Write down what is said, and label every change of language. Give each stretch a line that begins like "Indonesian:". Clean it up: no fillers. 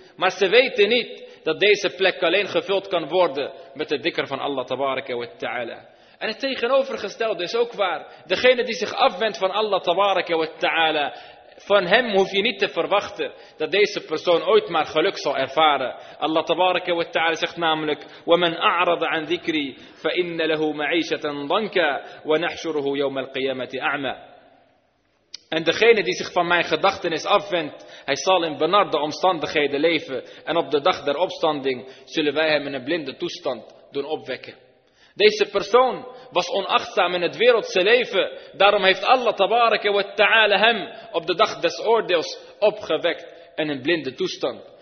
Dutch: Maar ze weten niet dat deze plek alleen gevuld kan worden met de dhikr van Allah tabaraka wa ta'ala. En het tegenovergestelde is ook waar. Degene die zich afwendt van Allah tabaraka wa ta'ala, van hem hoef je niet te verwachten dat deze persoon ooit maar geluk zal ervaren. Allah tabaraka wa ta'ala zegt namelijk:
Arabic: وَمَنْ أَعْرَضَ عَنْ ذِكْرِي فَإِنَّ لَهُ مَعِيشَةً ضَنْكَ وَنَحْشُرُهُ يَوْمَ الْقِيَامَةِ أَعْمَى.
Dutch: En degene die zich van mijn gedachtenis afwendt, hij zal in benarde omstandigheden leven. En op de dag der opstanding zullen wij hem in een blinde toestand doen opwekken. Deze persoon was onachtzaam in het wereldse leven. Daarom heeft Allah tabaraka wa ta'ala hem op de dag des oordeels opgewekt in een blinde toestand.